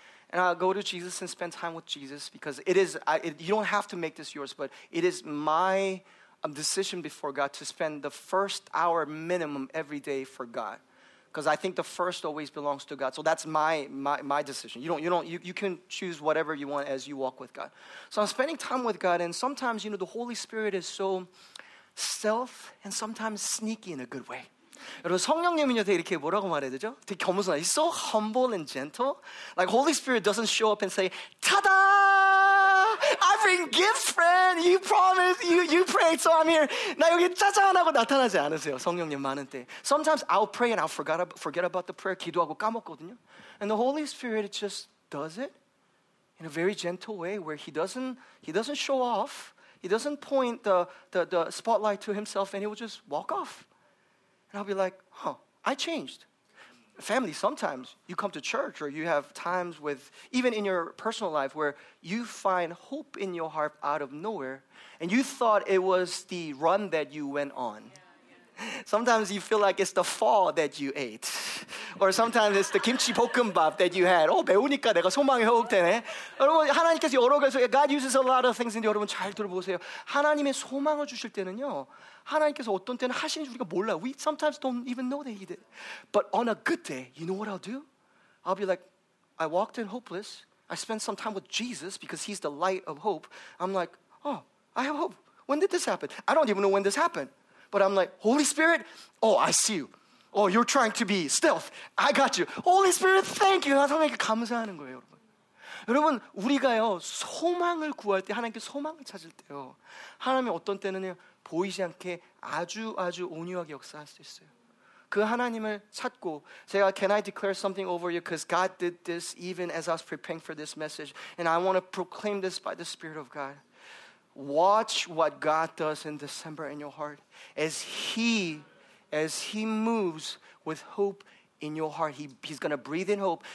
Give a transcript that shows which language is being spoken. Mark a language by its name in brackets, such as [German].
[English] And I'll go to Jesus and spend time with Jesus because you don't have to make this yours, but it is my decision before God to spend the first hour minimum every day for God. Because I think the first always belongs to God. So that's my decision. You can choose whatever you want as you walk with God. So I'm spending time with God, and sometimes, you know, the Holy Spirit is so stealth and sometimes sneaky in a good way. [Korean] 여러분, 성령님은요, 되게 이렇게 뭐라고 말해야 되죠? 되게 겸손하죠. [English] He's so humble and gentle. Like Holy Spirit doesn't show up and say, ta-da! I bring gift, friend! You promised, you prayed, so I'm here. [Korean] 나 여기 짜잔 하고 나타나지 않으세요, 성령님 많은 때. [English] Sometimes I'll pray and I'll forget about the prayer, [Korean] 기도하고 까먹거든요. [English] And the Holy Spirit just does it in a very gentle way where he doesn't show off. He doesn't point the spotlight to himself, and he will just walk off. And I'll be like, huh, I changed. Family, sometimes you come to church or you have times with, even in your personal life, where you find hope in your heart out of nowhere, and you thought it was the run that you went on. Sometimes you feel like it's the pho that you ate. Or sometimes it's the kimchi bokkeumbap that you had. Oh, [Korean] 매우니까 내가 소망이 회복되네. 여러분, 하나님께서 여러 가지, [English] God uses a lot of things in the [Korean] 여러분 잘 들어보세요. 하나님의 소망을 주실 때는요, 하나님께서 어떤 때는 하시는지 우리가 몰라. [English] We sometimes don't even know that he did. But on a good day, you know what I'll do? I'll be like, I walked in hopeless. I spent some time with Jesus because he's the light of hope. I'm like, oh, I have hope. When did this happen? I don't even know when this happened. But I'm like, Holy Spirit, oh, I see you. Oh, you're trying to be stealth. I got you. Holy Spirit, thank you. [Korean] 하나님께 감사하는 거예요, 여러분. 여러분, 우리가요, 소망을 구할 때, 하나님께 소망을 찾을 때요, 하나님이 어떤 때는요, 보이지 않게 아주 아주 온유하게 역사할 수 있어요. 그 하나님을 찾고 제가 [English] Can I declare something over you? Because God did this even as I was preparing for this message. And I want to proclaim this by the Spirit of God. Watch what God does in December in your heart. As he moves with hope in your heart, he's going to breathe in hope.